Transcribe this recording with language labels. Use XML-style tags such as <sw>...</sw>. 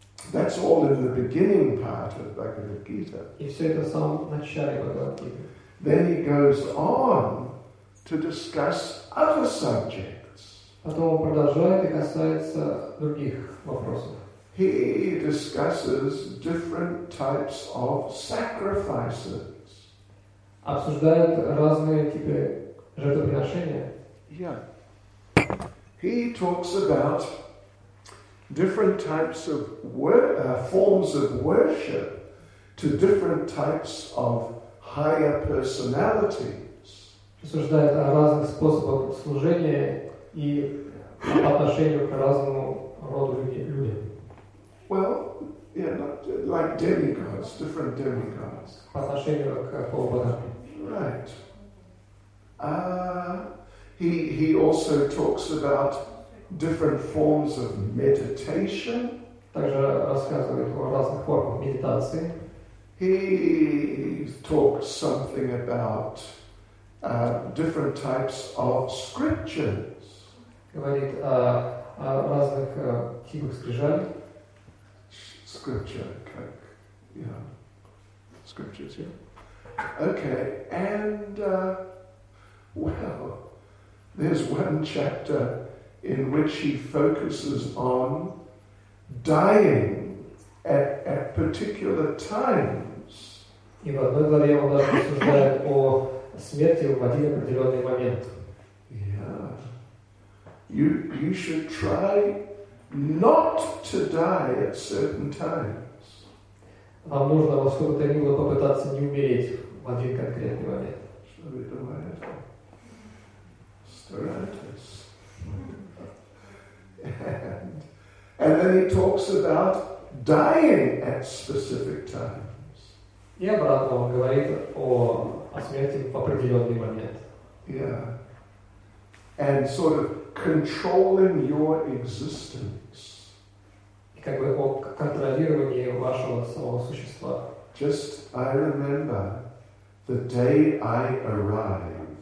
<en>That's all in the beginning part of Bhagavad-гита.</en> <ru>И все это в самом начале Бхагавад-гиты.</ru> <en>Then he goes on to discuss other subjects.</en> <ru>Потом он продолжает и касается других вопросов.</ru> <en>He discusses different types of sacrifices.</en> <ru>Обсуждает разные типы жертвоприношения.</ru> <en>Yeah. He talks about different types of forms of worship to different types of higher personalities.</en> <ru>Обсуждает о разных способах служения и по отношению к разному роду людей.</ru> <en>Well, like demigods, different demigods.</en> <ru>По отношению к полубогам.</ru> <en>Right. He also talks about different forms of meditation.</en> <ru>Также рассказывает о разных формах медитации.</ru> <en>He talks something about different types of scriptures.</en> <ru>Говорит о разных типах скрижалей.</ru> <en>Scripture, okay. Yeah. Scriptures, yeah. Okay, and well, there's one chapter in which he focuses on dying at particular times.</en> <ru>И в одной главе он даже рассуждает о смерти в один определенный момент.</ru> <en>Yeah. You should try not to die at certain times.</en> <ru>Вам нужно во сколько-то мило попытаться не умереть в один конкретный момент. Что вы думаете? Stratus.</ru> <en>And then he talks about dying at specific times.</en> <ru>И обратно он говорит о смерти в определенный момент.</ru> <en>Yeah. And sort of controlling your existence.</en> <ru>И как бы о контролировании вашего самого существа.</ru> <en>Just, I remember the day I arrived.</en>